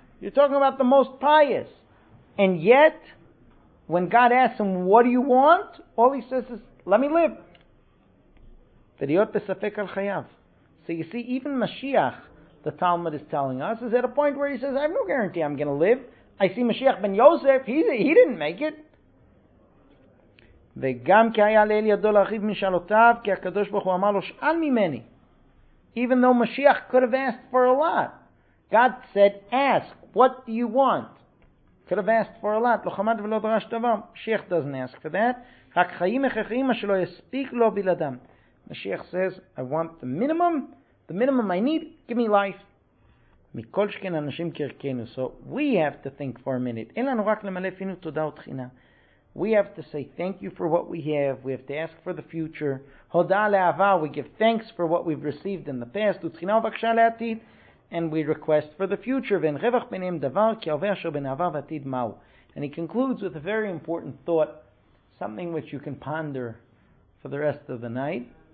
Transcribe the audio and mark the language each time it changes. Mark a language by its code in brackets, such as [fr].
[en] You're talking about the most pious. And yet, when God asks him, what do you want? All he says is, let me live. V'riot besafek al chayav. So you see, even Mashiach, the Talmud is telling us, is at a point where he says, I have no guarantee I'm going to live. I see Mashiach ben Yosef, he didn't make it. [he] וגם כי היה לאל ידו להרחיב משאלותיו, כי הקדוש ברוך הוא אמר לו, שאל ממני. [en] Even though Mashiach could have asked for a lot, God said, ask, what do you want? Could have asked for a lot. [he] לא חמד ולא דרש דבר. [en] Mashiach doesn't ask for that. [he] רק חיים הכרחיים שלא יספיק לו בלעדם. [en] Mashiach says, I want the minimum I need, give me life. [he] מכל שכן אנשים כרכנו. [en] So we have to think for a minute. [he] אין לנו רק למלא פינו תודה ותחינה. [en] We have to say thank you for what we have. We have to ask for the future. Hoda le'ava, we give thanks for what we've received in the past. Utchina v'aksha le'atid, and we request for the future. V'en revach b'neim davar ki aveh asher b'neava v'atid ma'u. And he concludes with a very important thought, something which you can ponder for the rest of the night.